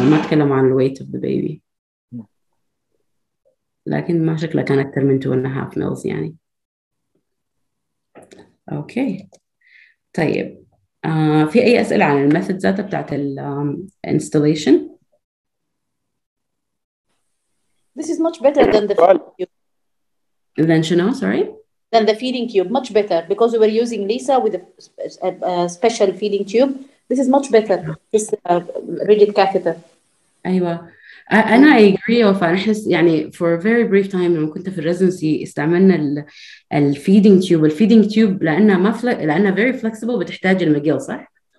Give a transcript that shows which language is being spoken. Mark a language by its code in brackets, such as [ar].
[ar] ما تكلم عن الويت [en] of the baby. [ar] لكن ما شكله كان أكثر من 2.5 ميلز يعني. أوكي طيب في أي أسئلة عن الميثود ذاته بتاعت الانستاليشن؟ [en] This is much better than the feeding cube. Than [ar] شنو [en] sorry? Than the feeding cube much better because we were using Lisa with a special feeding tube. This is much better. This rigid catheter. [ar] أيوة أنا [en] agree of [ar] أحس يعني [en] for a very brief time [ar] لما كنت في الريزنسي استعملنا ال feeding tube. الفيدينج tube لأنها ما لأنها [en] very flexible [ar] بتحتاج المجيل صح؟